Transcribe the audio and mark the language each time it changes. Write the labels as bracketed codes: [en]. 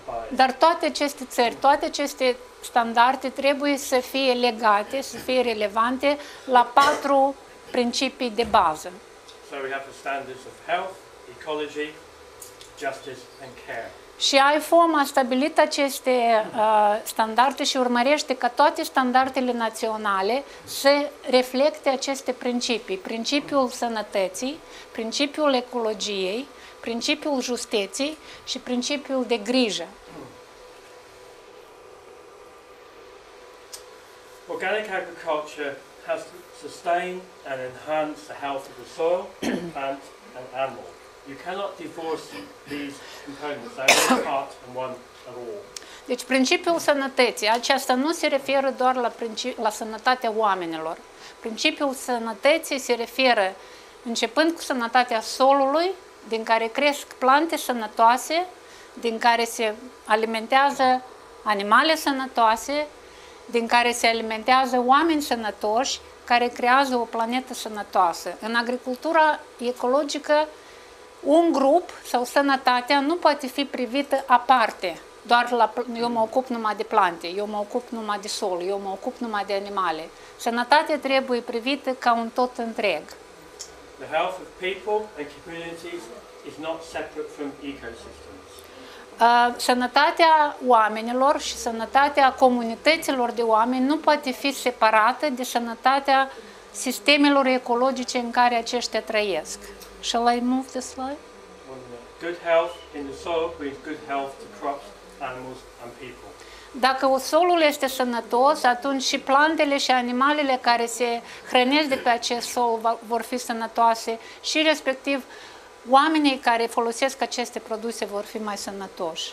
[ro] Dar toate aceste țări, toate aceste standarde trebuie să fie legate, să fie relevante la patru principii de bază. [en] So we have the standards of health, ecology, justice and care. [ro] Și IFOM a stabilit aceste standarde și urmărește ca toate standardele naționale să reflecte aceste principii. Principiul sănătății, principiul ecologiei, principiul justeții și principiul de grijă. [en] Organic agriculture has to sustain and enhance the health of the soil, plant and animal. You cannot divorce these components. They are one part and one of all. [ro] Deci principiul sănătății, aceasta nu se referă doar la sănătatea oamenilor. Principiul sănătății se referă începând cu sănătatea solului, din care cresc plante sănătoase, din care se alimentează animale sănătoase, din care se alimentează oameni sănătoși, care creează o planetă sănătoasă. În agricultura ecologică, un grup sau sănătatea nu poate fi privită aparte, doar la eu mă ocup numai de plante, eu mă ocup numai de sol, eu mă ocup numai de animale. Sănătatea trebuie privită ca un tot întreg. [en] The health of people and communities is not separate from ecosystems. [ro] Sănătatea oamenilor și sănătatea comunităților de oameni nu poate fi separată de sănătatea sistemelor ecologice în care aceștia trăiesc. [en] Shall I move the slide? Good health in the soil brings good health to crops, animals and people. [ro] Dacă solul este sănătos, atunci și plantele și animalele care se hrănesc de pe acest sol vor fi sănătoase și respectiv oamenii care folosesc aceste produse vor fi mai sănătoși.